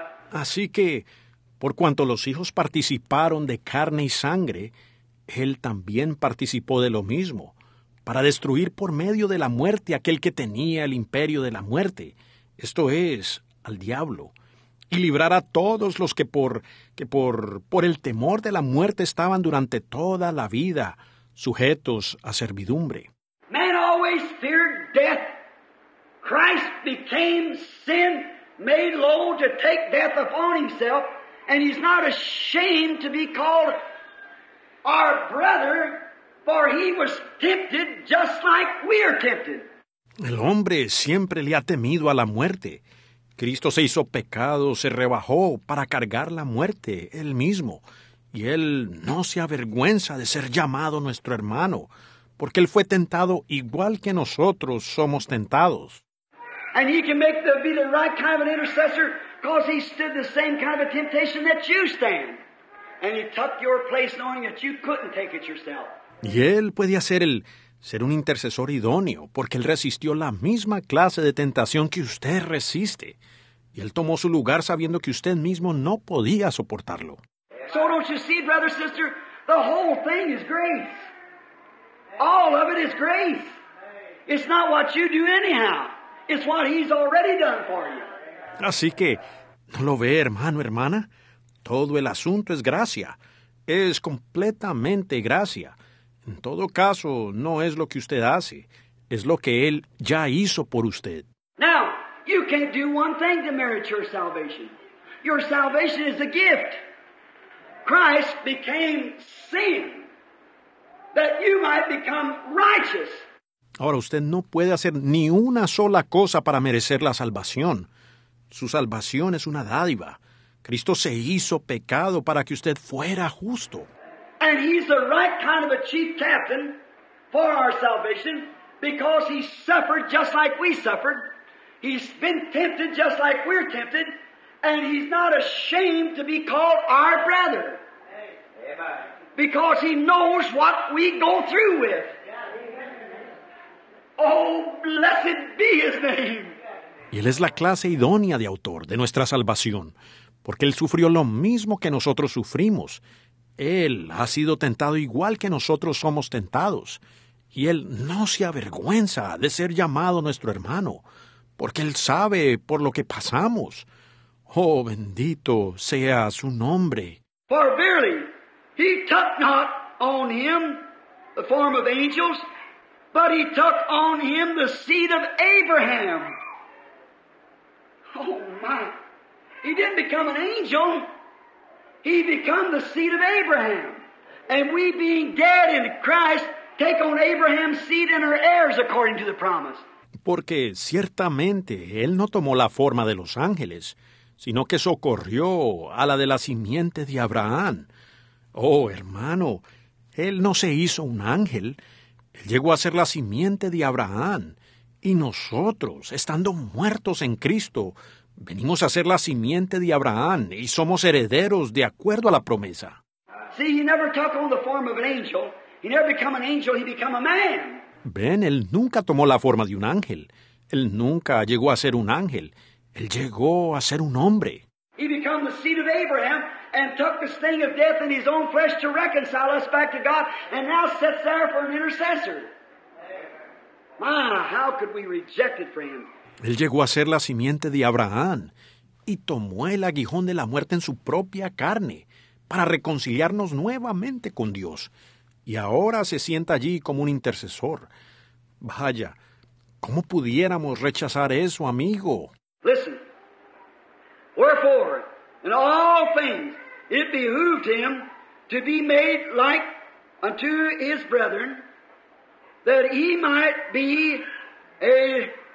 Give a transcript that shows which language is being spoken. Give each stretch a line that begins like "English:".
Spanish: Así que, por cuanto los hijos participaron de carne y sangre, él también participó de lo mismo, para destruir por medio de la muerte aquel que tenía el imperio de la muerte, esto es, al diablo, y librar a todos los que por el temor de la muerte estaban durante toda la vida sujetos a servidumbre.
English: Man always feared death. Christ became sin, made low to take death upon himself, and he's not ashamed to be called our brother, for he was tempted just like we are tempted.
Spanish: El hombre siempre le ha temido a la muerte. Cristo se hizo pecado, se rebajó para cargar la muerte él mismo, y él no se avergüenza de ser llamado nuestro hermano, porque él fue tentado igual que nosotros somos tentados.
English: And he can make be the right kind of an intercessor, because he stood the same kind of a temptation that you stand. And he took your place knowing that you couldn't take it yourself.
Spanish: Y él puede hacer ser un intercesor idóneo, porque él resistió la misma clase de tentación que usted resiste. Y él tomó su lugar sabiendo que usted mismo no podía soportarlo.
English: So don't you see, brother, sister, the whole thing is grace. All of it is grace. It's not what you do anyhow. It's what he's already done for you.
Spanish: Así que, ¿no lo ve, hermano, hermana? Todo el asunto es gracia. Es completamente gracia. En todo caso, no es lo que usted hace. Es lo que él ya hizo por usted.
English: Now, you can't do one thing to merit your salvation. Your salvation is a gift. Christ became sin that you might become righteous.
Spanish: Ahora, usted no puede hacer ni una sola cosa para merecer la salvación. Su salvación es una dádiva. Cristo se hizo pecado para que usted fuera justo.
English: And he's the right kind of a chief captain for our salvation, because he suffered just like we suffered. He's been tempted just like we're tempted. And he's not ashamed to be called our brother. Because he knows what we go through with. Oh, blessed be his name.
Spanish: Y él es la clase idónea de autor de nuestra salvación, porque él sufrió lo mismo que nosotros sufrimos. Él ha sido tentado igual que nosotros somos tentados. Y él no se avergüenza de ser llamado nuestro hermano, porque él sabe por lo que pasamos. Oh, bendito sea su nombre.
English: For verily, he took not on him the form of angels, but he took on him the seed of Abraham. Oh, my. He didn't become an angel. He became the seed of Abraham. And we being dead in Christ, take on Abraham's seed and are heirs according to the promise.
Spanish: Porque ciertamente él no tomó la forma de los ángeles, sino que socorrió a la de la simiente de Abraham. Oh, hermano, él no se hizo un ángel. Él llegó a ser la simiente de Abraham, y nosotros, estando muertos en Cristo, venimos a ser la simiente de Abraham y somos herederos de acuerdo a la promesa.
English: See, he never took on the form of an angel. He never became an angel, he became a man.
Spanish: Ven, él nunca tomó la forma de un ángel. Él nunca llegó a ser un ángel. Él llegó a ser un hombre.
English: He became the seed of Abraham. And took the sting of death in his own flesh to reconcile us back to God, and now sits there for an intercessor. My, how could we reject it, friend?
Spanish: Él llegó a ser la simiente de Abraham, y tomó el aguijón de la muerte en su propia carne, para reconciliarnos nuevamente con Dios. Y ahora se sienta allí como un intercesor. Vaya, ¿cómo pudiéramos rechazar eso, amigo?
English: Listen. Wherefore, in all things, it behooved him to be made like unto his brethren, that he might be a